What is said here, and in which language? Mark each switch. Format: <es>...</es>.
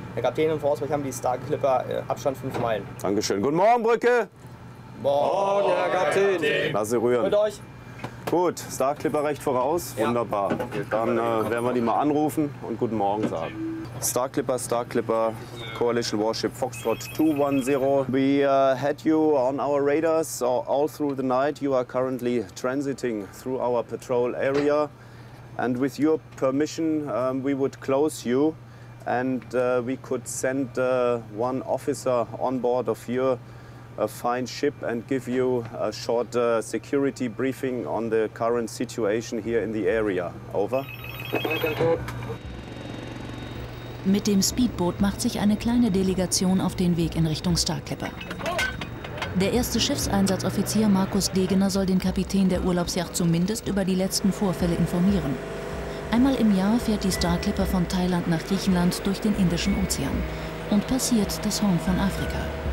<de>Herr Kapitän, im Voraus, wir haben die Star Clipper Abstand 5 Meilen. Dankeschön. Guten Morgen, Brücke. Morgen, Herr Kapitän. Lass sie rühren. Mit euch. Gut, Star Clipper recht voraus. Ja. Wunderbar. Dann werden wir die mal anrufen und guten Morgen sagen.</de> <en>Star Clipper, Coalition Warship Foxtrot 210. We had you on our radars all through the night. You are currently transiting through our patrol area. And with your permission, we would close you. And we could send one officer on board of your fine ship and give you a short security briefing on the current situation here in the area. Over.</en> <de>Mit dem Speedboot macht sich eine kleine Delegation auf den Weg in Richtung Star Clipper. Der erste Schiffseinsatzoffizier Markus Degener soll den Kapitän der Urlaubsjacht zumindest über die letzten Vorfälle informieren. Einmal im Jahr fährt die Star Clipper von Thailand nach Griechenland durch den Indischen Ozean und passiert das Horn von Afrika.</de>